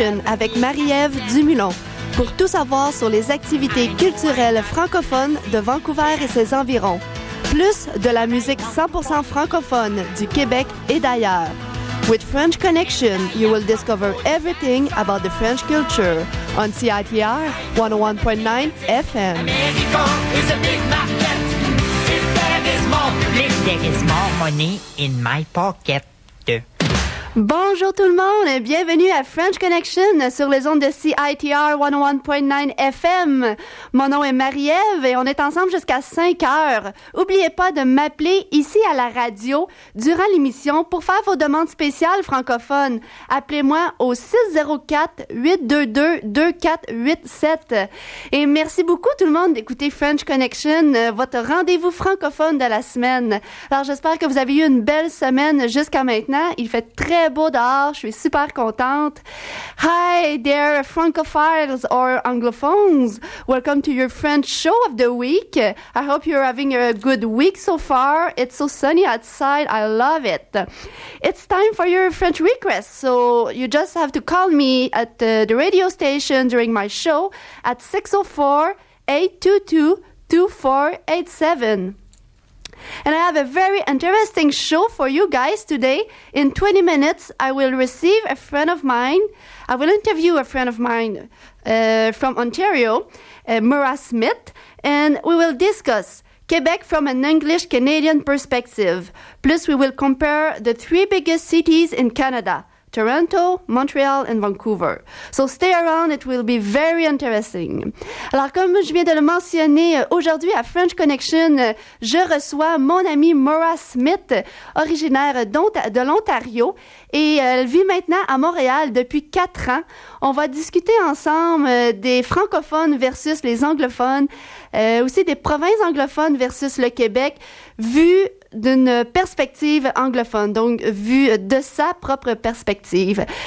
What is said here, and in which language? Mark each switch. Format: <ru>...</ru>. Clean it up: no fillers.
<fr>Avec Marie-Ève Dumoulin pour tout savoir sur les activités culturelles francophones de Vancouver et ses environs, plus de la musique 100% francophone du Québec et d'ailleurs.</fr> <en>With French Connection, you will discover everything about the French culture on CITR 101.9 FM.</en> <fr>Bonjour tout le monde et bienvenue à French Connection sur les ondes de CITR 101.9 FM. Mon nom est Marie-Ève et on est ensemble jusqu'à 5 heures. N'oubliez pas de m'appeler ici à la radio durant l'émission pour faire vos demandes spéciales francophones. Appelez-moi au 604-822-2487. Et merci beaucoup tout le monde d'écouter French Connection, votre rendez-vous francophone de la semaine. Alors j'espère que vous avez eu une belle semaine jusqu'à maintenant. Il fait très beau dehors, je suis super contente.</fr> <en>Hi there, francophiles or anglophones. Welcome to your French show of the week. I hope you're having a good week so far. It's so sunny outside, I love it. It's time for your French request, so you just have to call me at the radio station during my show at 604-822-2487. And I have a very interesting show for you guys today. In 20 minutes, I will receive a friend of mine. I will interview a friend of mine from Ontario, Mara Smith. And we will discuss Quebec from an English-Canadian perspective. Plus, we will compare the three biggest cities in Canada, Toronto, Montréal and Vancouver. So stay around, it will be very interesting.</en> <fr>Alors, comme je viens de le mentionner, aujourd'hui à French Connection, je reçois mon amie Mara Smith, originaire de l'Ontario, et elle vit maintenant à Montréal depuis 4 ans. On va discuter ensemble des francophones versus les anglophones, aussi des provinces anglophones versus le Québec, vu d'une perspective anglophone, donc vue de sa propre perspective.</fr>